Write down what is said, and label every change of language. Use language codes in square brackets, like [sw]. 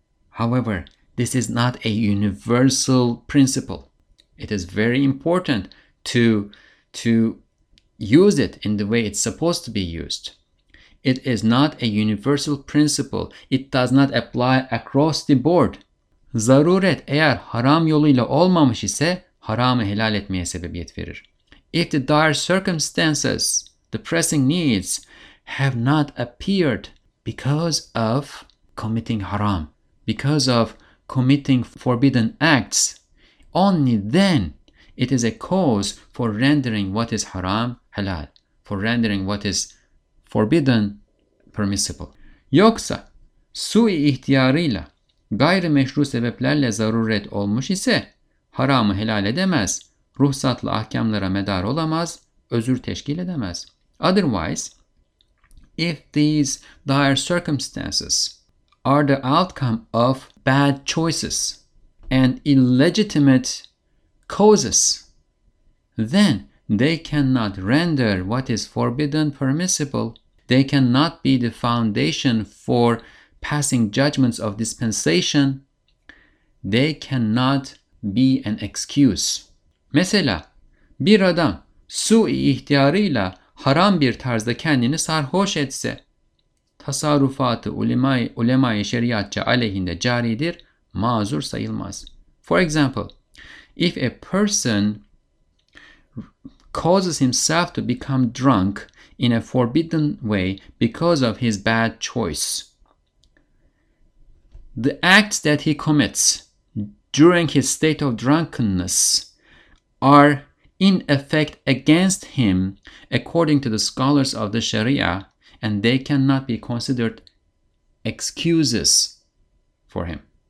[en] However, this is not a universal principle. It is very important to use it in the way it's supposed to be used. It is not a universal principle. It does not apply across the board. [tr] Zaruret eğer haram yoluyla olmamış ise haramı helal etmeye sebebiyet verir. [en] If the dire circumstances, the pressing needs, have not appeared because of committing haram, because of committing forbidden acts, only then it is a cause for rendering what is haram halal, for rendering what is forbidden, permissible. [tr] Yoksa sui ihtiyarıyla gayrimeşru sebeplerle zaruret olmuş ise haramı helal edemez, ruhsatlı ahkamlara medar olamaz, özür teşkil edemez. [en] Otherwise, if these dire circumstances are the outcome of bad choices and illegitimate causes, then they cannot render what is forbidden permissible. They cannot be the foundation for passing judgments of dispensation. They cannot be an excuse. [tr] Mesela, bir adam sui ihtiyarıyla haram bir tarzda kendini sarhoş etse, tasarrufatı ulema-i şeriatça aleyhinde caridir, mazur sayılmaz. [en] For example, if a person causes himself to become drunk in a forbidden way because of his bad choice, the acts that he commits during his state of drunkenness are in effect against him according to the scholars of the Sharia, and they cannot be considered excuses for him.